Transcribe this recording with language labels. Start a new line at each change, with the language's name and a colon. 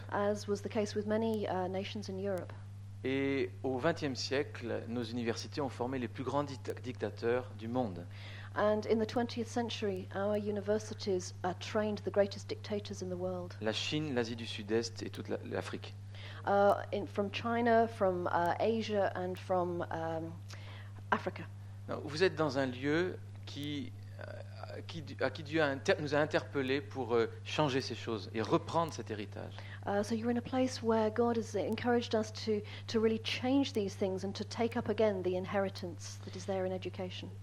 English: As was the case with many nations in Europe.
French: Et au XXe siècle, nos universités ont formé les plus grands dictateurs du monde.
English: And in the 20th century, our universities trained the greatest dictators in the world.
French: La Chine, l'Asie du Sud-Est et toute l'Afrique.
English: From China, from Asia and from Africa.
French: Vous êtes dans un lieu qui Dieu nous a interpellés pour changer ces choses et reprendre cet héritage.
English: So you're in a place where God has encouraged us to really change these things and to take up again the inheritance that is there in education.